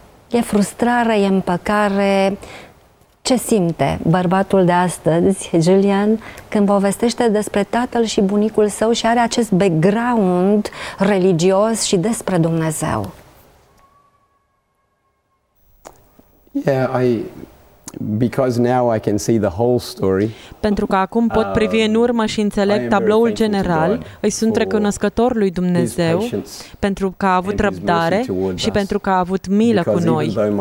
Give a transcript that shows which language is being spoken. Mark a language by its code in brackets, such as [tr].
[ro] E frustrare, e împăcare? Ce simte bărbatul de astăzi, Julian, când povestește despre tatăl și bunicul său și are acest background religios și despre Dumnezeu? [en] Because now I can see the whole story. [ro] Pentru că acum pot privi în urmă și înțeleg tabloul general, îi sunt recunoscător lui Dumnezeu pentru că a avut răbdare și pentru că a avut milă cu noi.